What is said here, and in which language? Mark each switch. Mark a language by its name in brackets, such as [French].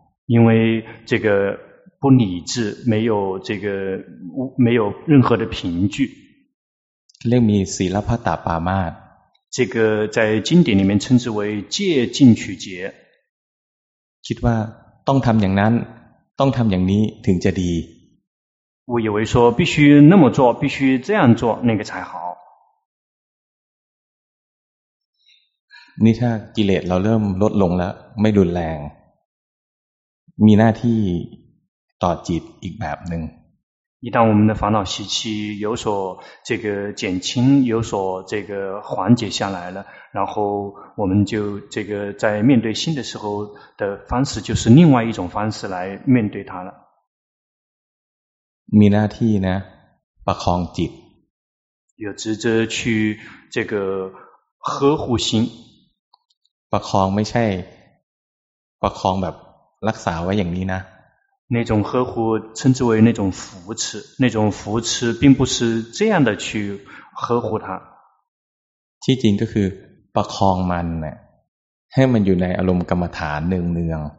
[Chinese] 因为这个不理智没有这个没有任何的凭据 [Thai] เรียกมีศีลัพพตปามาส [Chinese] 这个在经典里面称之为戒禁取戒 [Thai] คิดว่าต้องทำอย่างนั้นต้องทำอย่างนี้ถึงจะดี [Chinese] 我以为说必须那么做必须这样做那个才好 [Thai] นี่ถ้ากิเลสเราเริ่มลดลงแล้วไม่รุนแรงมีหน้าที่ต่อจิตอีกแบบหนึ่ง [Chinese] 一旦我们的烦恼习气有所这个减轻有所这个缓解下来了然后我们就这个在面对心的时候的方式就是另外一种方式来面对它了 [Thai] มีหน้าที่นะประคองจิต [Chinese] 有职责去这个呵护心 [Thai] ประคองไม่ใช่ประคองแบบรักษาไว้อย่างนี้นะ [Chinese] 那种呵护称之为那种扶持那种扶持并不是这样的去呵护它 [Thai] ที่จริงก็คือประคองมันเนี่ยให้มันอยู่ในอารมณ์กรรมฐานเนือง